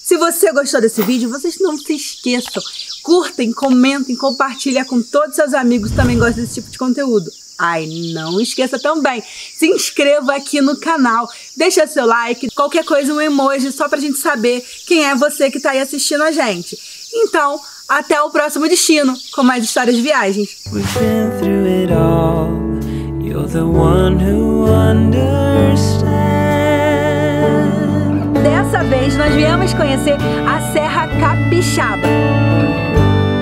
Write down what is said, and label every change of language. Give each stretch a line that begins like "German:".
Portuguese: Se você gostou desse vídeo, vocês não se esqueçam. Curtem, comentem, compartilhem com todos seus amigos que também gostam desse tipo de conteúdo. Ai, não esqueça também. Se inscreva aqui no canal. Deixa seu like, qualquer coisa, um emoji, só pra gente saber quem é você que tá aí assistindo a gente. Então, até o próximo destino com mais histórias de viagens.
English: We've been through it all. You're the one who understands.
Portuguese: Dessa vez nós viemos conhecer a Serra Capixaba.